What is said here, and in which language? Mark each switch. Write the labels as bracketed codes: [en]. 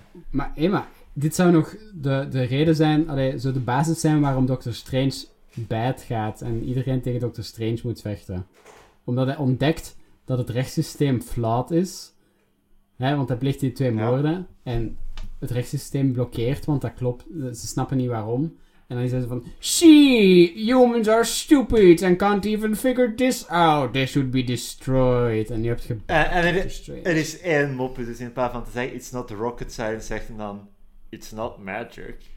[nl] Maar Emma, dit zou nog de reden zijn, zou de basis zijn waarom Doctor Strange bad gaat en iedereen tegen Doctor Strange moet vechten. Omdat hij ontdekt dat het rechtssysteem flawed is. Hè, want hij pleegt die twee moorden. En het rechtssysteem blokkeert, want dat klopt. Ze snappen niet waarom. En dan zijn ze van... [en] See, humans are stupid and can't even figure this out. They should be destroyed. [nl] En je hebt Er is één mopje, dus in plaats van te zeggen... [en] It's not rocket science, [nl] zegt hij dan... [en] It's not magic.